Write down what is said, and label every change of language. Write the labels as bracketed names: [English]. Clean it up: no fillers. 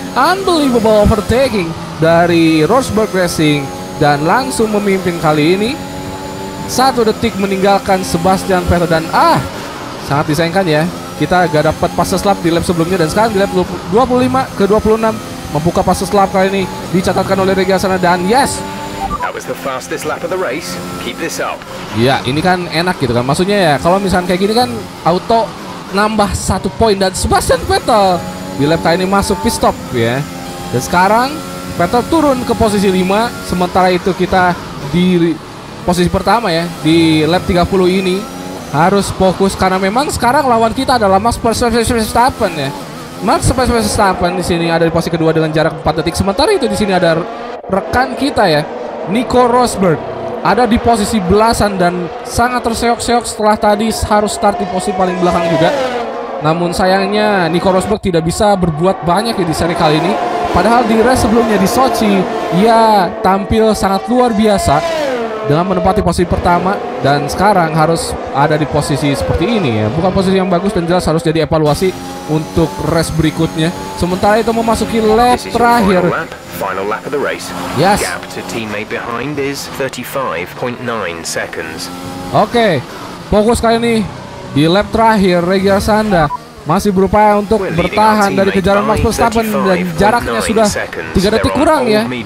[English] Unbelievable overtaking [Indonesian] dari Rosberg Racing, dan langsung memimpin kali ini. 1 detik meninggalkan Sebastian Vettel, dan sangat disayangkan ya, kita gak dapat passes lap di lap sebelumnya, dan sekarang di lap 25 ke 26 membuka passes lap kali ini dicatatkan oleh Regiarsana. [English] Dan yes, that was the fastest lap of the race. Keep this up. [Indonesian] Ya, ini kan enak gitu kan. Maksudnya ya, kalau misalkan kayak gini kan auto nambah 1 poin. Dan Sebastian Vettel di lap kali ini masuk pit stop ya. Dan sekarang Vettel turun ke posisi 5. Sementara itu kita di posisi pertama ya, di lap 30 ini harus fokus, karena memang sekarang lawan kita adalah Max Verstappen ya. Max Verstappen di sini ada di posisi kedua dengan jarak 4 detik. Sementara itu di sini ada rekan kita ya, Nico Rosberg, ada di posisi belasan dan sangat terseok-seok setelah tadi harus start di posisi paling belakang juga. Namun sayangnya Nico Rosberg tidak bisa berbuat banyak ya di seri kali ini. Padahal di race sebelumnya di Sochi ia tampil sangat luar biasa dengan menempati posisi pertama, dan sekarang harus ada di posisi seperti ini ya. Bukan posisi yang bagus, dan jelas harus jadi evaluasi untuk race berikutnya. Sementara itu memasuki lap terakhir. [English] Final lap of the race. Yes. Gap to teammate behind is 35.9 seconds. [Indonesian] Oke, fokus kali ini di lap terakhir. Regiarsana masih berupaya untuk bertahan dari kejaran Max Verstappen, dan jaraknya sudah 3 detik kurang ya.